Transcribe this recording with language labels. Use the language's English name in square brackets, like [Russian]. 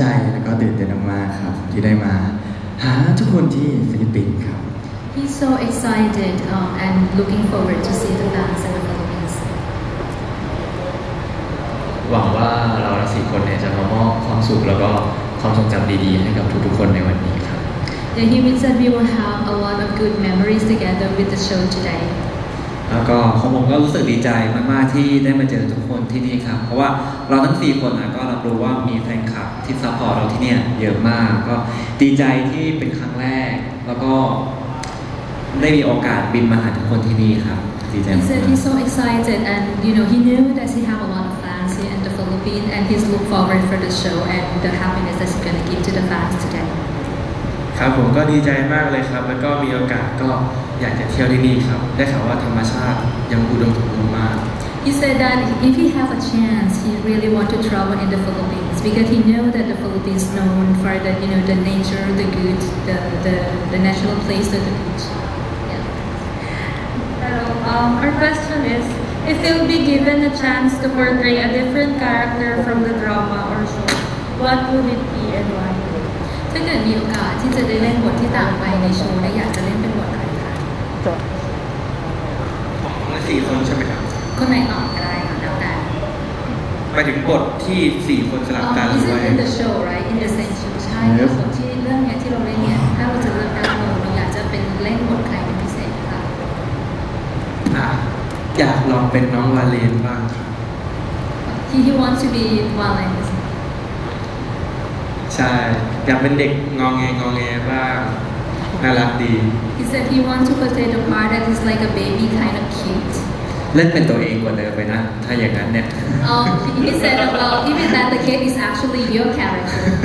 [Thai] ครับผมก็รู้สึกดีใจแล้วก็ตื่นเต้นมากครับที่ได้มาหาทุกคนที่ฟิลิปปินส์ครับ [English] He's so excited and looking forward to see the dance in the Philippines [Thai] หวังว่าเราทั้ง4คนเนี่ยจะมามอบความสุขแล้วก็ความทรงจำดีๆให้กับทุกๆคนในวันนี้ครับ [English] The human said we will have a lot of good memories together with the show today [Thai] แล้วก็ผมก็รู้สึกดีใจมากๆที่ได้มาเจอทุกคนที่นี่ครับเพราะว่าเราทั้ง4คนนะก็รับรู้ว่ามีแฟนคลับที่ซัพพอร์ตเราที่เนี่ยเยอะมากก็ดีใจที่เป็นครั้งแรกแล้วก็ได้มีโอกาสบินมาหาทุกคนที่นี่ครับดีใจมาก [English] He said he's so excited and you know he knew that he have a lot of fans here in the Philippines and he's look forward for the show and the happiness that he's going to give to the fans today [Thai] ครับผมก็ดีใจมากเลยครับแล้วก็มีโอกาสก็อยากจะเที่ยวที่นี่ครับได้ข่าวว่าธรรมชาติยังอุดมสมบูรณ์มาก [English] He said that if he has a chance he really want to travel in the Philippines because he know that the Philippines known for the you know the nature the good the natural place of the beach Hello our question is if you'll be given a chance to portray a different character from the drama or show what would it be and why [Thai] ถ้าเกิดมีโอกาสที่จะได้เล่นบทที่ต่างไปในโชว์และอยากจะเล่นเป็นบท สี่คนใช่ไหมครับ คนไหนต่อก็ได้แล้วแต่ ไปถึงบทที่สี่คนสลับกัน ด้วย [English] In the show right in the same show [Thai] ใช่คนที่เรื่องเนี้ยที่เราเล่นเนี้ยถ้าเราจะเลือกการ์ดเราอยากจะเป็นเล่นบทใครเป็นพิเศษครับ อยากลองเป็นน้องวาเลนบ้างครับ [English] He wants to be Valen [Thai] ใช่อยากเป็นเด็กงองแงงองแงบ้างน่ารักดี [English] He said he wants to play the part that is like a baby kind of cute [Thai] เล่นเป็นตัวเองกว่าเดิมไปนะถ้าอย่างนั้นเนี่ย [English] He said about even that the kid is actually your character